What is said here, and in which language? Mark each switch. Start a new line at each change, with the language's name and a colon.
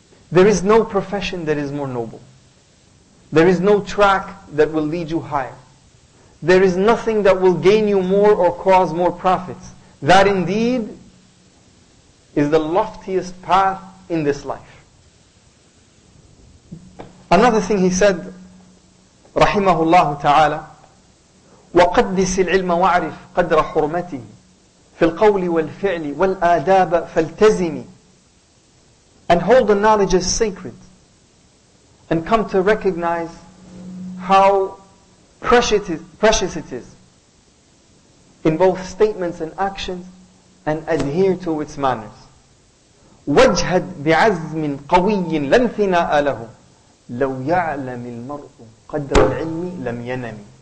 English: There is no profession that is more noble. There is no track that will lead you higher. There is nothing that will gain you more or cause more profits. That indeed is the loftiest path in this life.
Arabic: Another thing he said, rahimahullahu ta'ala, وَقَدِّسِ الْعِلْمَ وَعْرِفْ قَدْرَ حُرْمَتِهِ فِي الْقَوْلِ وَالْفِعْلِ وَالْآدَابَ فَالْتَزِمِ.
English: And hold the knowledge as sacred. And come to recognize how precious it is in both statements and actions, and adhere to its manners.
Arabic: وَجْهَدْ بِعَزْمٍ قَوِيٍّ لَنْ ثِنَاءَ لَهُ لَوْ يَعْلَمِ الْمَرْءُ قَدْرَ الْعِلْمِ لَمْ يَنَمِ.